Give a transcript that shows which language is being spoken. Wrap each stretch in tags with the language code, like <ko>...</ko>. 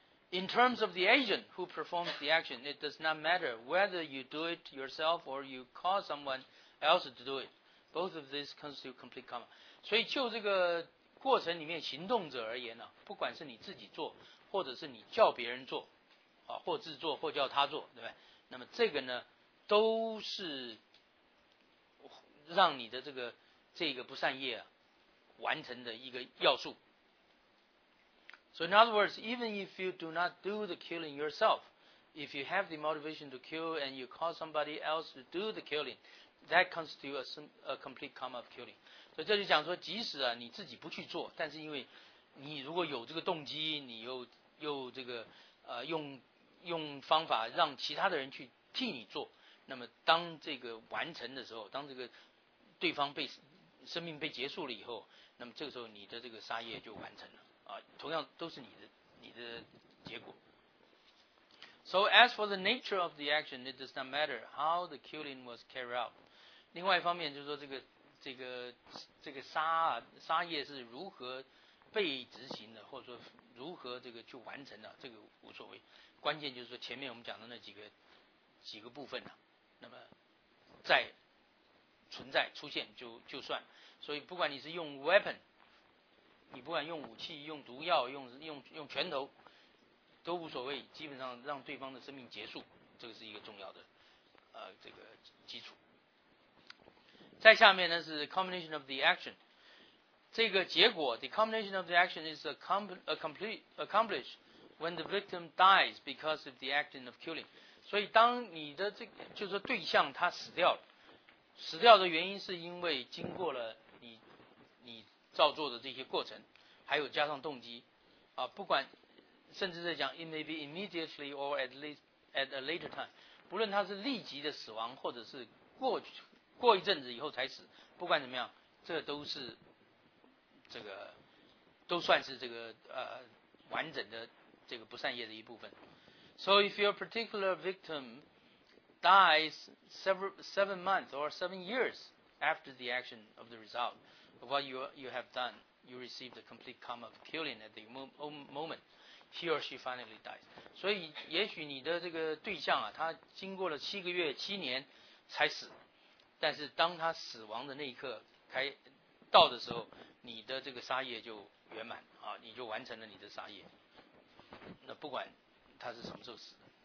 <en>In terms of the agent who performs the action, it does not matter whether you do it yourself or you cause someone else to do it. Both of these constitute complete karma.</en> <zh>所以就这个过程里面行动者而言呢、啊，不管是你自己做。或者是你叫别人做啊，或自做或叫他做，对吧？那么这个呢都是让你的这个不善业啊完成的一个要素。</zh> <en>So in other words, even if you do not do the killing yourself, if you have the motivation to kill and you cause somebody else to do the killing, that constitutes a complete karma of killing.</en> <zh>所以这就讲说即使啊你自己不去做，但是因为你如果有这个动机，你又这个用方法让其他的人去替你做，那么当这个完成的时候，当这个对方被生命被结束了以后，那么这个时候你的这个杀业就完成了啊，同样都是你的结果。</zh> <en>So as for the nature of the action, it does not matter how the killing was carried out.</en> <zh>另外一方面就是说这个杀业是如何被执行的，或者说如何这个去完成的，这个无所谓。关键就是说前面我们讲的那几个部分呢、啊，那么在存在出现就算。所以不管你是用 weapon， 你不管用武器、用毒药、用拳头都无所谓，基本上让对方的生命结束，这个是一个重要的这个基础。再下面呢是</zh> <en>combination of the action。</en> <zh>这个结果</zh> <en>the combination of the action is accomplished when the victim dies because of the action of killing.</en> <zh>所以当你的这个就是说对象他死掉了，死掉的原因是因为经过了你你造作的这些过程，还有加上动机啊，不管甚至在讲</zh> <en>it may be immediately or at a later time，</en> <zh>不论它是立即的死亡或者是过一阵子以后才死，不管怎么样，这都是这个都算是这个完整的这个不善业的一部分。</zh> <en>So if your particular victim dies seven months or seven years after the action of the result of what you have done, you receive the complete karma of killing at the moment he or she finally dies.</en> <zh>所以也许你的这个对象啊，他经过了七个月七年才死，但是当他死亡的那一刻开到的时候，你的这个杀业就圆满啊，你就完成了你的杀业，那不管他是什么时候死的。</zh>